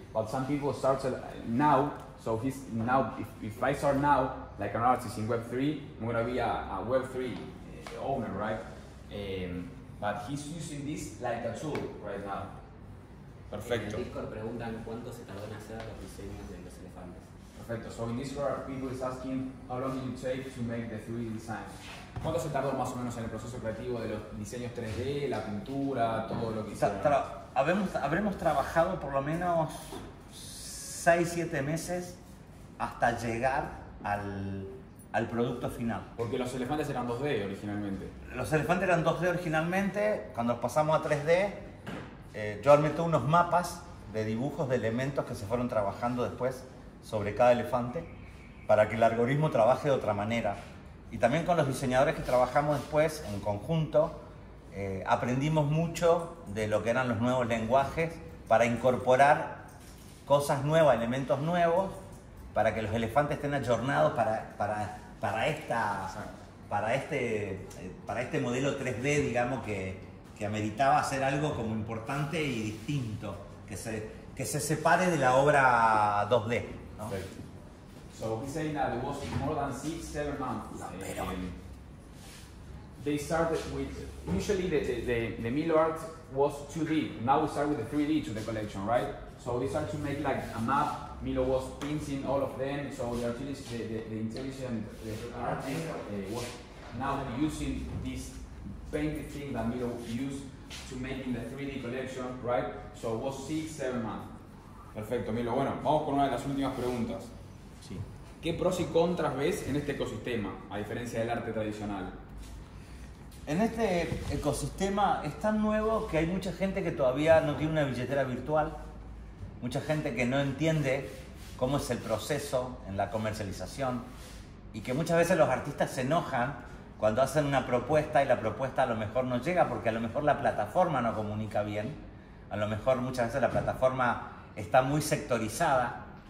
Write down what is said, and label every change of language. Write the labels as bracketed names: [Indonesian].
[English] But some people started now, so he's now, if I start now, like an artist in Web 3, I'm going to be a Web 3 owner, right? But he's using this like a tool right now. [Spanish] Perfecto. En el Discord preguntan cuánto se tardó en hacer los diseños de los elefantes. Perfecto. [English] So in Discord, people is asking how long did you take to make the 3D designs? [Spanish] ¿Cuánto se tardó más o menos en el proceso creativo de los diseños 3D, la pintura, todo lo que hicieron? Habremos trabajado por lo menos 6-7 meses hasta llegar al, al producto final. Porque los elefantes eran 2D originalmente. Los elefantes eran 2D originalmente, cuando los pasamos a 3D, yo armé todos unos mapas de dibujos de elementos que se fueron trabajando después sobre cada elefante para que el algoritmo trabaje de otra manera. Y también con los diseñadores que trabajamos después en conjunto, aprendimos mucho de lo que eran los nuevos lenguajes para incorporar cosas nuevas, elementos nuevos, para que los elefantes estén aggiornados para este modelo 3D, digamos, que ameritaba hacer algo como importante y distinto, que se separe de la obra 2D, ¿no? [English] So he's saying that it was more than 6-7 months. They started with, usually the Milo art was 2D. Now we start with the 3D to the collection, right? So they start to make like a map. Milo was painting all of them. So the artist, the intelligent artist was now using this painted thing that Milo used to make in the 3D collection, right? So it was 6-7 months. [Spanish] Perfecto, Milo. Bueno, vamos con una de las últimas preguntas. Sí. ¿Qué pros y contras ves en este ecosistema, a diferencia del arte tradicional? En este ecosistema es tan nuevo que hay mucha gente que todavía no tiene una billetera virtual, mucha gente que no entiende cómo es el proceso en la comercialización y que muchas veces los artistas se enojan cuando hacen una propuesta y la propuesta a lo mejor no llega porque a lo mejor la plataforma no comunica bien, a lo mejor muchas veces la plataforma está muy sectorizada.